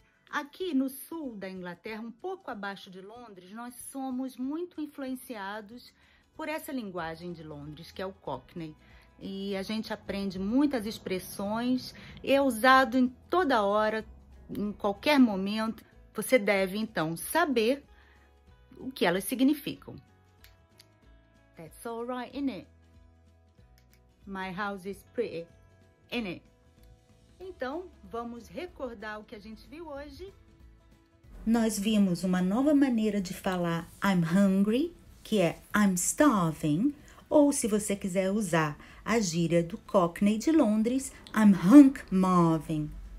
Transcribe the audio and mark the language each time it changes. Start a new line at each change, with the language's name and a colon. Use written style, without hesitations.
Portuguese: Aqui no sul da Inglaterra, um pouco abaixo de Londres, nós somos muito influenciados por essa linguagem de Londres, que é o Cockney. E a gente aprende muitas expressões, é usado em toda hora, em qualquer momento, você deve então saber o que elas significam.
English: That's all right, innit? My house is pretty, innit?
Portuguese: Então, vamos recordar o que a gente viu hoje. Nós vimos uma nova maneira de falar
English: I'm hungry,
Portuguese: que é
English: I'm starving,
Portuguese: ou se você quiser usar a gíria do Cockney de Londres,
English: I'm hunk-marving.